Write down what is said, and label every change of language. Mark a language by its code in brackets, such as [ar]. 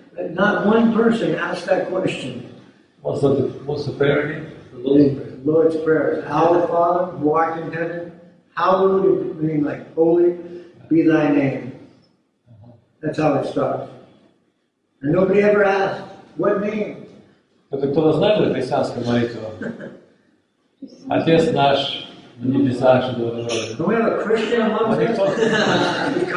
[en] Not one person asked that question. What's the prayer again? The Lord's Prayer. Our Father who art in heaven, hallowed, meaning like holy, be thy name. That's how it starts. And nobody ever asked, what name? But the [ru] кто-то знает эту христианскую молитву? Отец наш на небесах, что [en] Do we have a Christian among us?